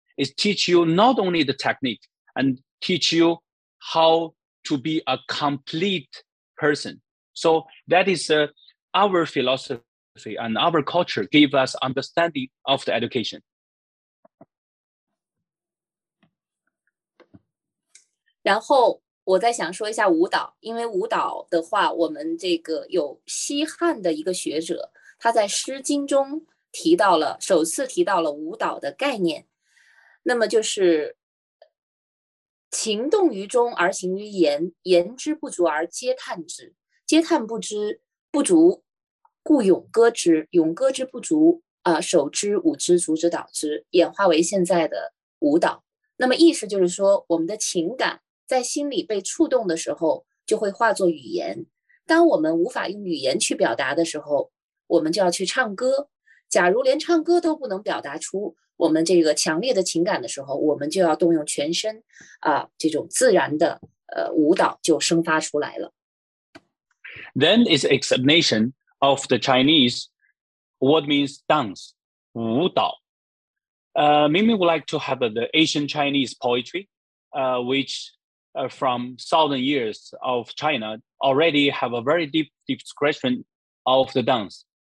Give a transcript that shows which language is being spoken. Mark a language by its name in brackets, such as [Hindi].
[English] Is teach you not only the technique and teach you how to be a complete person. So that is our philosophy and our culture gave us understanding of the education. [Chinese] 然后我再想说一下舞蹈，因为舞蹈的话，我们这个有西汉的一个学者，他在《诗经》中提到了，首次提到了舞蹈的概念。那么就是情动于中而行于言，言之不足而嗟叹之，嗟叹不知不足故咏歌之，咏歌之不足手之舞之足之蹈之，演化为现在的舞蹈。那么意思就是说，我们的情感在心里被触动的时候就会化作语言，当我们无法用语言去表达的时候，我们就要去唱歌。假如连唱歌都不能表达出我们这个强烈的情感的时候，我们就要动用全身这种自然的舞蹈就生发出来了。 [English] Then is explanation of the Chinese what means dance, 舞蹈。 Mimi would like to have the Asian Chinese poetry, which from thousand years of China already have a very deep description of the dance.